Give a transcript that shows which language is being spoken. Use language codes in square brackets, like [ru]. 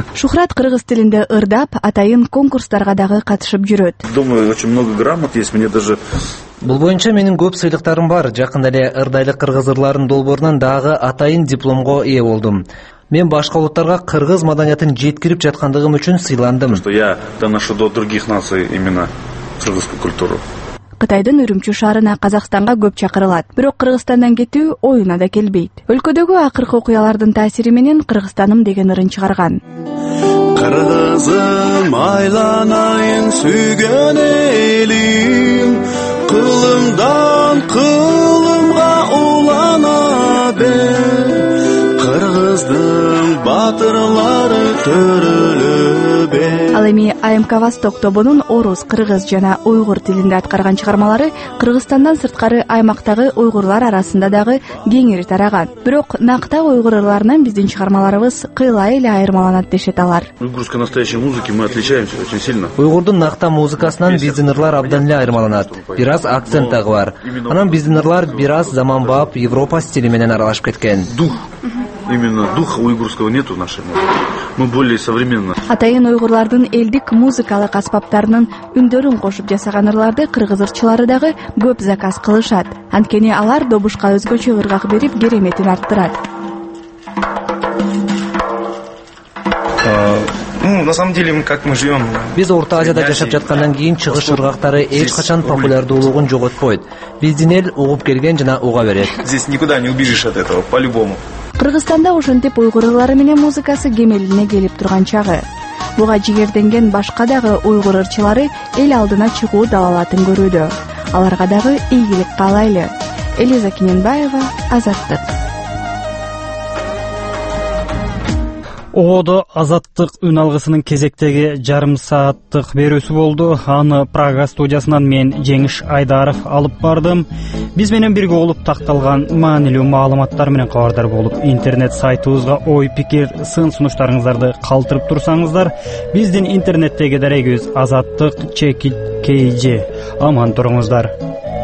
[ky] Шухрат кыргыз тилинде ырдап, атайын конкурстарга дагы катышып жүрөт. [ru] Думаю, очень много грамот есть, мне даже... [ky] Бул боюнча менин көп сыйлыктарым бар. Жакында эле ырдайлык кыргыз ырларын долбоорунан дагы атайын дипломго ээ болдум. Мен башка улуттарга кыргыз маданиятын жеткирип жаткандыгым үчүн сыйландым. [ru] Что я доношу до других наций именно кыргызскую культуру. [ky] Кытайдын Үрүмчү шаарына Казакстанга көп чакырылат. Бирок Кыргызстандан кетүү оюна да келбейт. Өлкөдөгү акыркы окуялардын таасири менен Кыргызстаным деген ырын чыгарган. Кыргызым айланайын сүйгөн элим, кылымдан кылымга улана бер. Кыргыздын батырлары төрөлүбө. Ал эми АМК Восток тобунун орус, кыргыз жана уйгур тилинде аткарган чыгармалары Кыргызстандан сырткары аймактагы уйгурлар арасында дагы кеңири тараган. Бирок накта уйгур ырларынан биздин чыгармаларыбыз кыйла эле айырмаланат дешет алар. [ru] Уйгурской настоящей музыки мы отличаемся очень сильно. [ky] Уйгурдун накта музыкасынан биздин ырлар абдан эле айырмаланат. Бир аз акцент дагы бар. Анан биздин ырлар бир аз заманбап Европа стили менен аралашып кеткен. [ru] Дух. Именно духа уйгурского нету в нашей музыке. Мы более современно. [ky] Атайын уйгурлардын элдик музыкалык аспаптарынын үндөрүн кошуп жасаган ырларды кыргыз ырчылары дагы көп заказ кылышат. Анткени алар добушка өзгөчө ыргак берип кереметин арттырат. [ru] На самом деле мы как мы живем. [ky] Биз Орта Азияда жашап жаткандан кийин чыгыш ыргактары эч качан популярдуулугун жоготпойт. Биздин эл угуп келген жана уга берет. [ru] Здесь никуда не убежишь от этого, по-любому. [ky] Кыргызстанда ушинтип уйгур ырлары менен музыкасы кемелине келип турган чагы. Буга жигерденген башка дагы уйгур ырчылары эл алдына чыгуу далалатын көрүүдө. Аларга дагы ийгилик каалайлы. Элиза Кененбаева, Азаттык. Оодо Азаттык үн алгысынын кезектеги жарым сааттык берүүсү болду. Аны Прага студиясынан мен Жеңиш Айдаров алып бардым. Биз менен бирге болуп такталган маанилүү маалыматтар менен кабардар болуп, интернет сайтыбызга ой, пикир, сын сунуштарыңыздарды калтырып турсаңыздар, биздин интернеттеги дарегибиз азаттык.kg. Аман туруңуздар.